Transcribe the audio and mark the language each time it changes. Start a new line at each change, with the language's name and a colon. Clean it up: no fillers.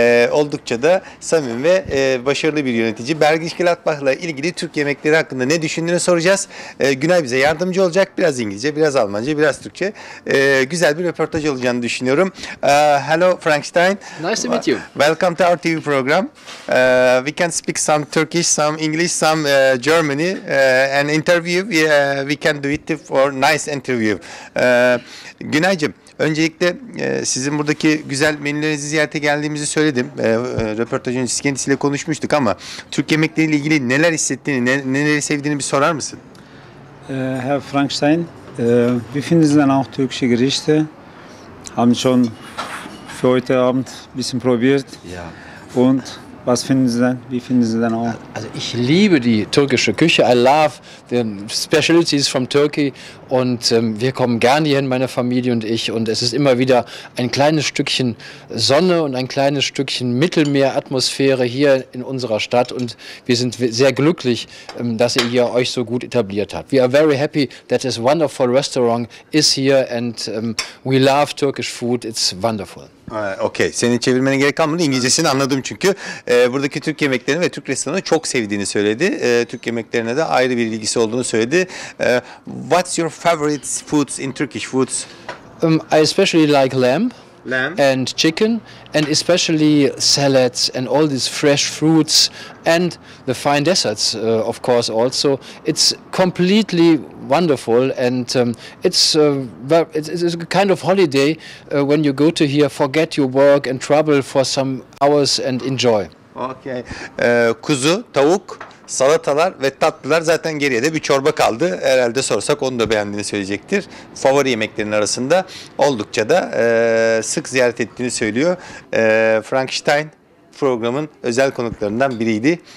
Turkish: Oldukça da samim ve başarılı bir yönetici. Bergisch Gladbach'la ilgili Türk yemekleri hakkında ne düşündüğünü soracağız. Günay bize yardımcı olacak. Biraz İngilizce, biraz Almanca, biraz Türkçe. Güzel bir röportaj olacağını düşünüyorum.
English: Hello Frank Stein. Nice to meet you. Welcome to our TV program. We can speak some Turkish, some English, some Germany, an interview we can do it for nice interview.
Turkish: Günaycığım, öncelikle sizin buradaki güzel menülerinizi ziyarete geldiğimizi söyledim. Röportajın siz kendisiyle konuşmuştuk ama Türk yemekleriyle ilgili neler hissettiğini, neleri sevdiğini bir sorar mısın?
German: Herr Frankstein, wie finden Sie denn auch türkische Gerichte? Haben schon für heute Abend ein bisschen probiert. Ja. Und was finden Sie denn? Wie finden Sie denn auch? Also ich liebe die türkische Küche.
English: I love the specialties from Turkey.
German: Und wir kommen gerne hierhin, meine Familie und ich. Und es ist immer wieder ein kleines Stückchen Sonne und ein kleines Stückchen Mittelmeeratmosphäre hier in unserer Stadt. Und wir sind sehr glücklich, dass ihr hier euch so gut etabliert habt.
English: We are very happy that this wonderful restaurant is here and we love Turkish food. It's wonderful.
Turkish: Okay, senin çevirmene gerek kalmadı. İngilizcesini anladım çünkü. Buradaki Türk yemeklerini ve Türk restoranını çok sevdiğini söyledi. Türk yemeklerine de ayrı bir ilgisi olduğunu söyledi.
English: What's your favorite foods in Turkish foods? I especially like lamb. Lamb. And chicken. And especially salads and all these fresh fruits. And the fine desserts, of course, also. It's completely wonderful, and it's a kind of holiday when you go to here, forget your work and trouble for some hours and enjoy. Okay.
Turkish: Kuzu, tavuk, salatalar ve tatlılar, zaten geriye de bir çorba kaldı. Herhalde sorsak onu da beğendiğini söyleyecektir. Favori yemeklerin arasında oldukça da sık ziyaret ettiğini söylüyor. Frank Stein programın özel konuklarından biriydi.